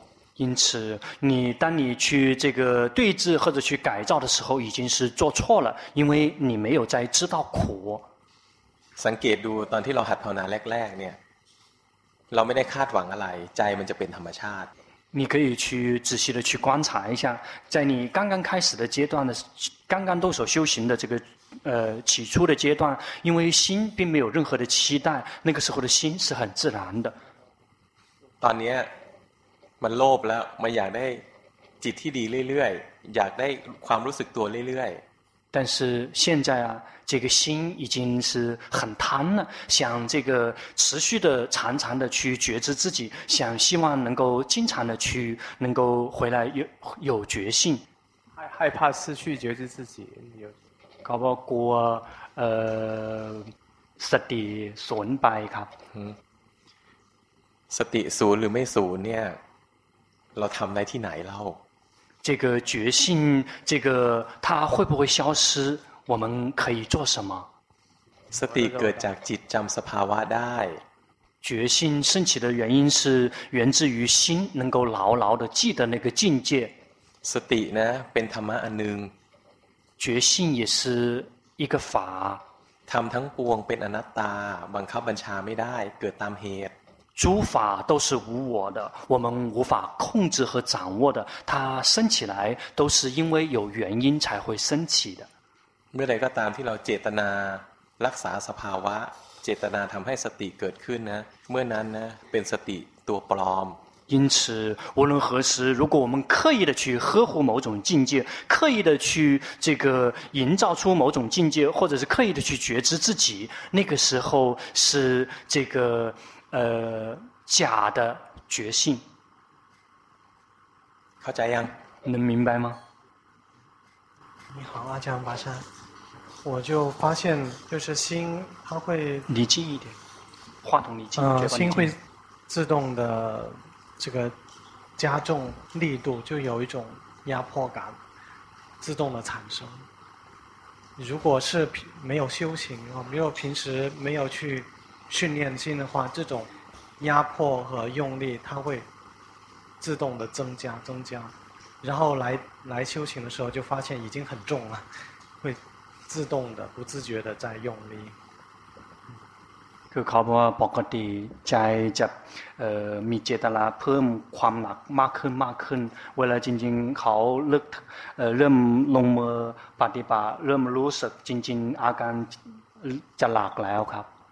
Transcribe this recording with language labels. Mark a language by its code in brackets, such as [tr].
[zh] 因此你当你去这个对治或者去改造的时候已经是做错了因为你没有在知道苦 [th] สังเกตดูตอนที่เราหัดภาวนาแรกๆเนี่ยเราไม่ได้คาดหวังอะไรใจมันจะเป็นธรรมชาติ [zh] 你可以去仔细的去观察一下在你刚刚开始的阶段的刚刚动手修行的这个起初的阶段因为心并没有任何的期待那个时候的心是很自然的 [th] ตอนนี้มันโลภแล้วมันอยากได้จิตที่ดีเรื่อยๆอยากได้ความรู้สึกตัวเรื่อย [zh] ๆ但是现在啊这个心已经是很贪了想这个持续的常常的去觉知自己想希望能够经常的去能够回来 有觉性害怕失去觉知自己搞不好过 [th] สติศูนย์ไปครับ สติศูนย์หรือไม่ศูนย์เนี่ยเราทำได้ที่ไหนแล้ว [zh] 这个觉性这个它会不会消失我们可以做什么 [th] สติเกิดจากจิตจำสภาวะได้ [zh] 觉性升起的原因是源自于心能够牢牢的记得那个境界 [th] สตินะเป็นธรรมะอันหนึ่ง [zh] 觉性也是一个法 [th] ธรรมทั้งปวงเป็นอนัตตาบังคับบัญชาไม่ได้เกิดตามเหตุ [zh] 诸法都是无我的我们无法控制和掌握的它升起来都是因为有原因才会升起的 [th] เมื่อใดก็ตามที่เราเจตนารักษาสภาวะเจตนาทำให้สติเกิดขึ้นนะเมื่อนั้นนะเป็นสติตัวปลอม [zh] 因此无论何时如果我们刻意的去呵护某种境界刻意的去这个营造出某种境界或者是刻意的去觉知自己那个时候是这个假的觉性 [th] เข้าใจยัง [zh] 能明白吗你好阿姜巴山我就发现就是心它会离近一点话筒离近心会自动的这个加重力度就有一种压迫感自动的产生如果是没有修行没有平时没有去训练心的话这种压迫和用力它会自动的增加然后来修行的时候就发现已经很重了会自动的不自觉的在用力 [th] คือเขาบอกว่าปกติใจจะมีเจตนาเพิ่มความหนักมากขึ้นมากขึ้นเวลาจริงๆเขาเลิกเริ่มลงมือปฏิบัติเริ่มรู้สึกจริงๆอาการจะหลักแล้วครับ